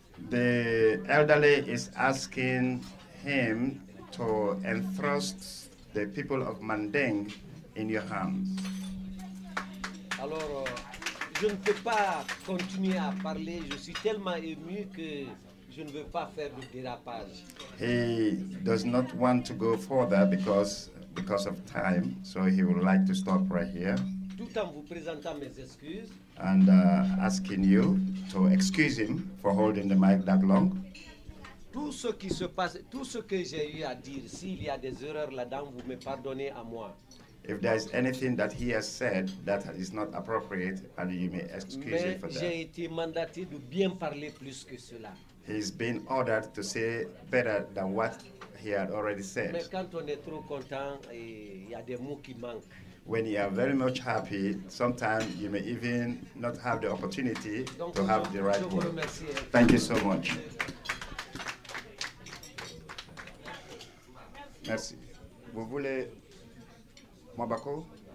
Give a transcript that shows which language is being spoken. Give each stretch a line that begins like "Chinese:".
English: The elderly is asking him to entrust the people of Mandeng in your hands.
French: Alors, je ne peux pas continuer à parler. Je suis tellement ému que je ne veux pas faire de dérapage.
English: He does not want to go further because of time, so he would like to stop right here.
French: Tout en vous présentant mes excuses.
English: And asking you to excuse him for holding the mic that long.
French: Tout ce qui se passe, tout ce que j'ai eu à dire, s'il y a des erreurs là-dedans, vous me pardonnez à moi.
English: If there is anything that he has said that is not appropriate, and you may excuse
French: Mais
English: him for that.
French: J'ai été mandaté de bien parler plus que cela.
English: He's been ordered to say better than what he had already said.
French: Mais quand on est trop content, il y a des mots qui manquent.
English: When you are very much happy, sometimes you may even not have the opportunity to have the right word. Thank you so much.
French: Merci. Vous voulez Mabako?